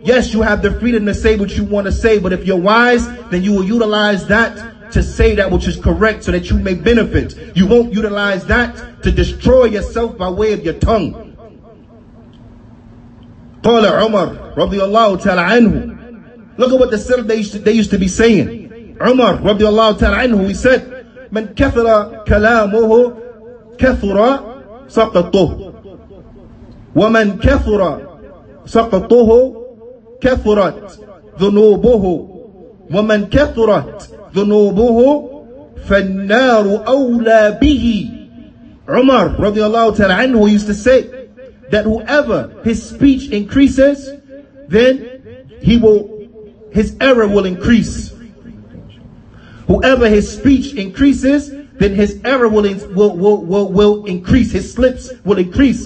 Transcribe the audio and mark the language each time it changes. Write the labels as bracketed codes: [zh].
[en] Yes, you have the freedom to say what you want to say, but if you're wise, then you will utilize that to say that which is correct so that you may benefit. You won't utilize that to destroy yourself by way of your tongue. Qala Umar, radiyallahu ta'ala anhu. Look at what the salaf they used to be saying. Umar, radiyallahu ta'ala anhu, he said, [ar] من كثر كلامه كثر سقطه ومن كثر سقطه كثرت ذنوبه ومن كثرت ذنوبه فالنار أولى به. [en] Umar radiallahu ta'ala anhu used to say that whoever his speech increases, then his error will increase. Whoever his speech increases, then his error will increase, his slips will increase.